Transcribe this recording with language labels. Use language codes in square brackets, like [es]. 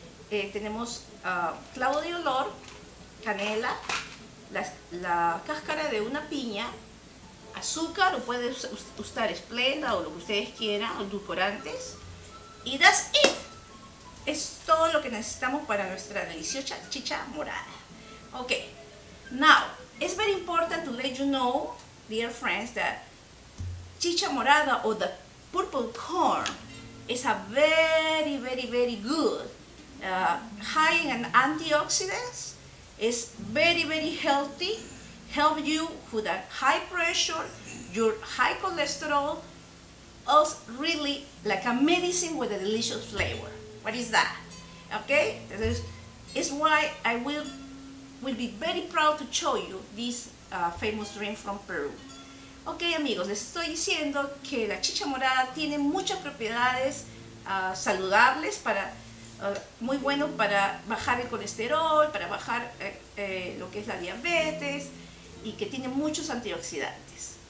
[es] Tenemos clavo de olor, canela, la cáscara de una piña, azúcar, o puede usar esplenda o lo que ustedes quieran, o edulcorantes. Y [en] that's it. [es] Es todo lo que necesitamos para nuestra deliciosa chicha morada. [en] Ok. Now, it's very important to let you know, dear friends, that chicha morada or the purple corn is a very, very, very good. High in antioxidants. It's very, very healthy. Help you with that high pressure, your high cholesterol, also really like a medicine with a delicious flavor. What is that? Okay, it's why I will be very proud to show you this famous drink from Peru. [es] Okay, amigos, les estoy diciendo que la chicha morada tiene muchas propiedades saludables para muy bueno para bajar el colesterol, para bajar lo que es la diabetes, y que tiene muchos antioxidantes.